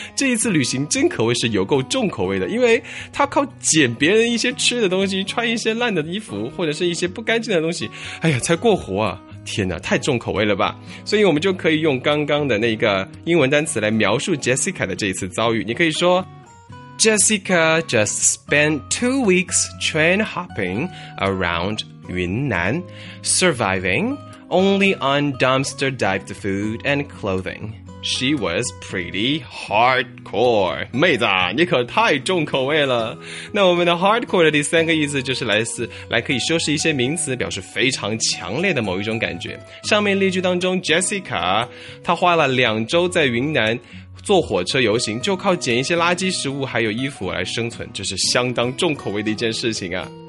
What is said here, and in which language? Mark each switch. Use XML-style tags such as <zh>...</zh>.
<zh>这一次旅行真可谓是有够重口味的，因为她靠捡别人一些吃的东西，穿一些烂的衣服或者是一些不干净的东西，哎呀，才过活啊。天哪，太重口味了吧。所以我们就可以用刚刚的那个英文单词来描述 Jessica 的这一次遭遇。你可以说</zh> <en>Jessica just spent 2 weeks train hopping around Yunnan, surviving only on dumpster dived food and clothing. She was pretty hardcore.</en> <zh>妹子啊，你可太重口味了。那我们的 hardcore 的第三个意思就是来可以修饰一些名词，表示非常强烈的某一种感觉。上面例句当中 ，Jessica 她花了2周在云南坐火车游行，就靠捡一些垃圾食物还有衣服来生存，这是相当重口味的一件事情啊。</zh>